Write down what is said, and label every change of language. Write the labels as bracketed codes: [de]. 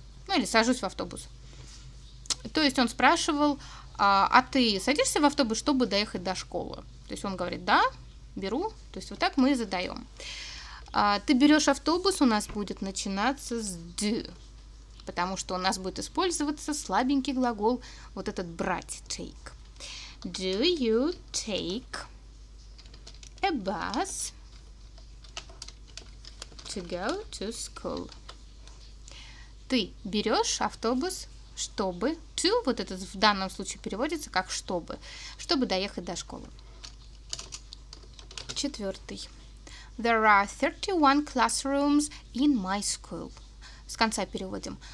[ru] Ну, или сажусь в автобус. То есть он спрашивал, а ты садишься в автобус, чтобы доехать до школы? То есть он говорит, да, беру. То есть вот так мы и задаем. Ты берешь автобус, у нас будет начинаться с do. Потому что у нас будет использоваться слабенький глагол, вот этот брать, take. [en] Do you take a bus to go to school? [ru] Ты берешь автобус, чтобы... To, вот этот в данном случае переводится как чтобы. Чтобы доехать до школы. Четвертый. [en] There are 31 classrooms in my school. [ru] С конца переводим.